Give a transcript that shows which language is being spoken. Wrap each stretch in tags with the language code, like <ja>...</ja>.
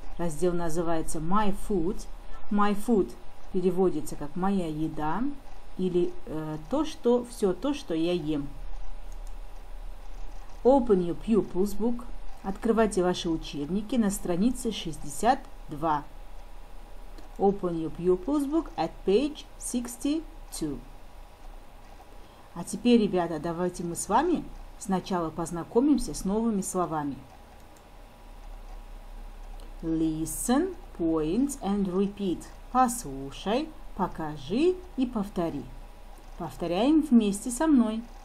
<ru>Раздел называется My Food. My Food переводится как «моя еда» или «то, что, все то, что я ем».</ru> <en>Open your pupils book.</en> <ru>Открывайте ваши учебники на странице 62.</ru> <en>Open your pupils book at page 62.</en> <ru>А теперь, ребята, давайте мы с вами сначала познакомимся с новыми словами.</ru> <en>Listen, point and repeat.</en> <ru>Послушай, покажи и повтори. Повторяем вместе со мной.</ru>